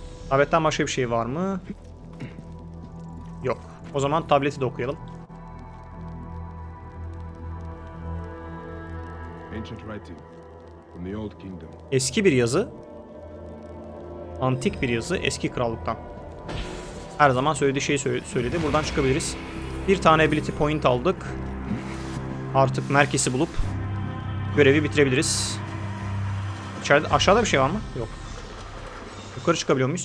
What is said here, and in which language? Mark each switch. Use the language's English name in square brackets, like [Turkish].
[Turkish] Tabletten başka bir şey var mı? Yok. O zaman tableti de okuyalım. [English] Ancient writing from the old kingdom. [Turkish] Eski bir yazı. Antik bir yazı eski krallıktan. Her zaman söylediği şeyi söyledi. Buradan çıkabiliriz. Bir tane ability point aldık. Artık merkezi bulup görevi bitirebiliriz. İçeride aşağıda bir şey var mı? Yok. Yukarı çıkabiliyor muyuz?